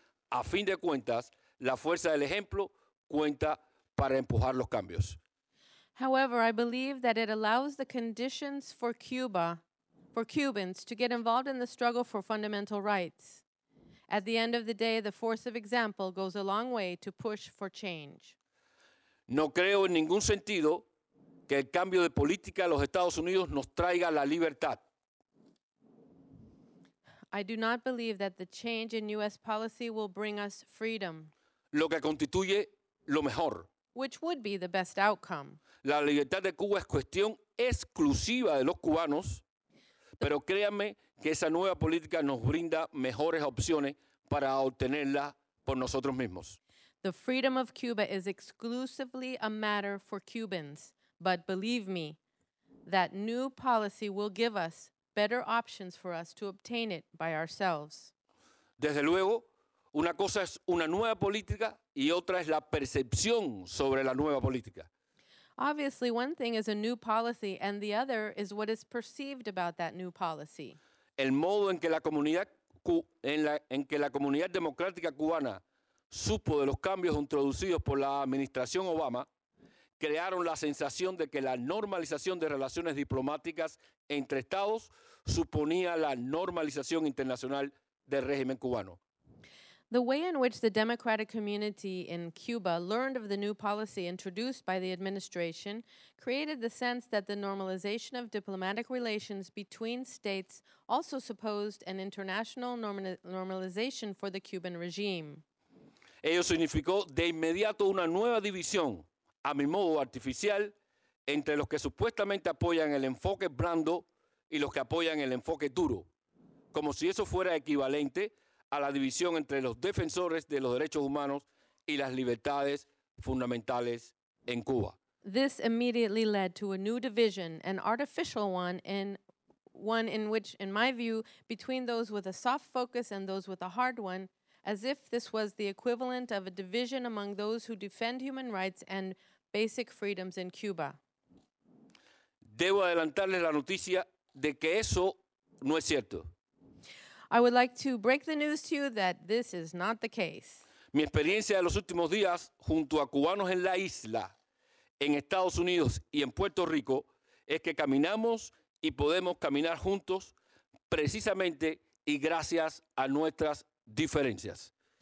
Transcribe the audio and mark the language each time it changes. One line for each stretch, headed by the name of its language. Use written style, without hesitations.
Spanish: A fin de cuentas, la fuerza del ejemplo cuenta para empujar los cambios.
English: However, I believe that it allows the conditions for Cuba, for Cubans, to get involved in the struggle for fundamental rights. At the end of the day, the force of example goes a long way to push for change.
Spanish: No creo en ningún sentido que el cambio de política de los Estados Unidos nos traiga la libertad.
English: I do not believe that the change in U.S. policy will bring us freedom.
Spanish: Lo que constituye lo mejor.
English: Which would be the best outcome.
Spanish: La libertad de Cuba es cuestión exclusiva de los cubanos, pero créanme que esa nueva política nos brinda mejores opciones para obtenerla por nosotros mismos.
English: The freedom of Cuba is exclusively a matter for Cubans, but believe me, that new policy will give us better options for us to obtain it by ourselves.
Spanish: Desde luego, una cosa es una nueva política y otra es la percepción sobre la nueva política.
English: Obviously, one thing is a new policy and the other is what is perceived about that new policy.
Spanish: El modo en que la comunidad democrática cubana supo de los cambios introducidos por la administración Obama crearon la sensación de que la normalización de relaciones diplomáticas entre estados suponía la normalización internacional del régimen cubano.
English: The way in which the democratic community in Cuba learned of the new policy introduced by the administration created the sense that the normalization of diplomatic relations between states also supposed an international normalization for the Cuban regime.
Spanish: Ello significó de inmediato una nueva división, a mi modo artificial, entre los que supuestamente apoyan el enfoque blando y los que apoyan el enfoque duro, como si eso fuera equivalente a la división entre los defensores de los derechos humanos y las libertades fundamentales en Cuba.
English: This immediately led to a new division, an artificial one, and one in which, in my view, between those with a soft focus and those with a hard one, as if this was the equivalent of a division among those who defend human rights and basic freedoms in Cuba.
Spanish: Debo adelantarles la noticia de que eso no es cierto.
English: I would like to break the news to you that this is not the case.
Spanish: Mi experiencia de los últimos días junto a cubanos en la isla, en Estados Unidos y en Puerto Rico es que caminamos y podemos caminar juntos precisamente y gracias a nuestras diferencias.